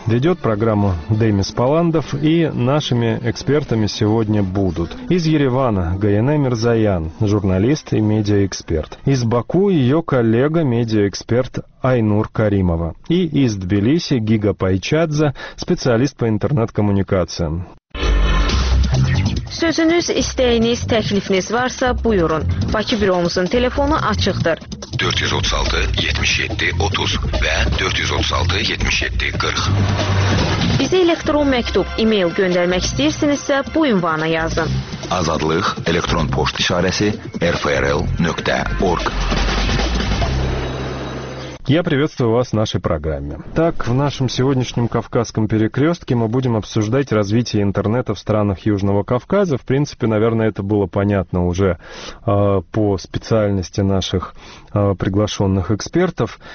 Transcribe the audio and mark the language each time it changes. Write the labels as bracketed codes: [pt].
[ru] Ведет программу Демис Паландов, и нашими экспертами сегодня будут из Еревана Гайене Мирзаян, журналист и медиаэксперт, из Баку ее коллега, медиаэксперт Айнур Каримова, и из Тбилиси Гига Пайчадзе, специалист по интернет-коммуникациям. [az] Sözünüz, istəyiniz, təklifiniz varsa, buyurun. Bakı büromuzun telefonu açıqdır. 436 77 30 və 436 77 40. Bizə elektron məktub, e-mail göndərmək istəyirsinizsə, bu ünvana yazın. Azadlıq elektron poçt işarəsi rfrl.org. [ru] Я приветствую вас в нашей программе. Так, в нашем сегодняшнем «Кавказском перекрестке» мы будем обсуждать развитие интернета в странах Южного Кавказа. В принципе, наверное, это было понятно уже по специальности наших приглашенных экспертов.